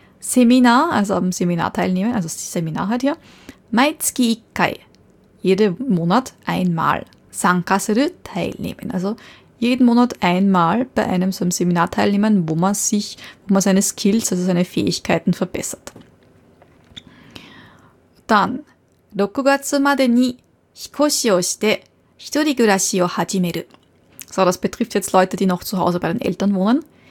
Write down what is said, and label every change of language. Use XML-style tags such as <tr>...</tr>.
<de>Seminar, also am Seminar teilnehmen, also das Seminar halt hier.</de> <ja>Maitsuki ikkai.</ja> <de>Jeden Monat einmal.</de> <ja>Sanka suru</ja> <de>teilnehmen. Also jeden Monat einmal bei einem so einem Seminar teilnehmen, wo man seine Skills, also seine Fähigkeiten verbessert. Dann,</de> <ja>6月までに引っ越しをして一人暮らしを始める。</ja> <de>So, das betrifft jetzt Leute, die noch zu Hause bei den Eltern wohnen.</de>